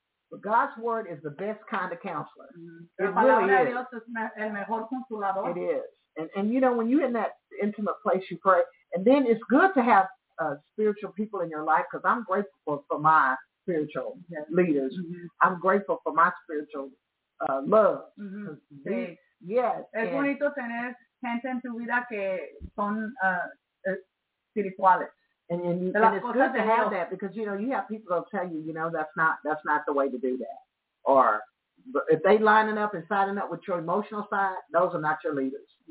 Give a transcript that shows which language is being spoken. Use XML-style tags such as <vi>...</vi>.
<en>But God's word is the best kind of counselor. Mm-hmm. It really</en> <es>is. El mejor consolador.</es> <en>It is. And you know, when you're in that intimate place, you pray. And then it's good to have spiritual people in your life, because I'm grateful for my spiritual leaders. Mm-hmm. I'm grateful for my spiritual love. Mm-hmm. Yes.</en> <es>Es bonito tener gente en tu vida que son espirituales.</es> <en>And it's good to have that, because, you know, you have people that will tell you, you know, that's not the way to do that. Or if they lining up and siding up with your emotional side, those are not your leaders.</en>